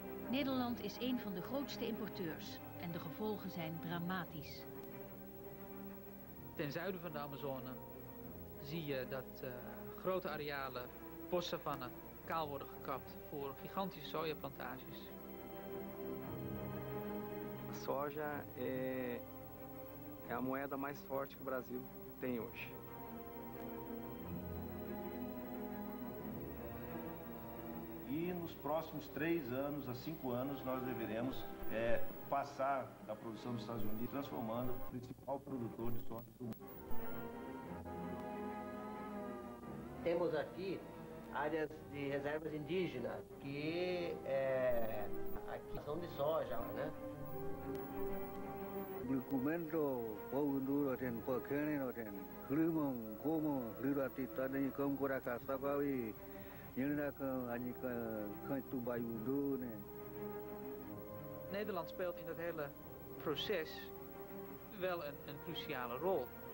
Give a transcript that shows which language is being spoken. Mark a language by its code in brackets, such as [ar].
[nl] Nederland is een van de grootste importeurs en de gevolgen zijn dramatisch. Ten zuiden van de Amazone zie je dat grote arealen bossavannen kaal worden gekapt voor gigantische sojaplantages. [pt] Soja é a moeda mais forte que o Brasil tem hoje. E nos próximos 3 anos a 5 anos nós deveremos passar da produção dos Estados Unidos, transformando o principal produtor de soja do mundo. Temos aqui áreas de reservas indígenas, que aqui são de soja, né? Documento povo duro, tem pequeno, tem clima, como, lira, tita, nem como, curaca, sapa e... [nl] Nederland speelt in dat hele proces wel een cruciale rol.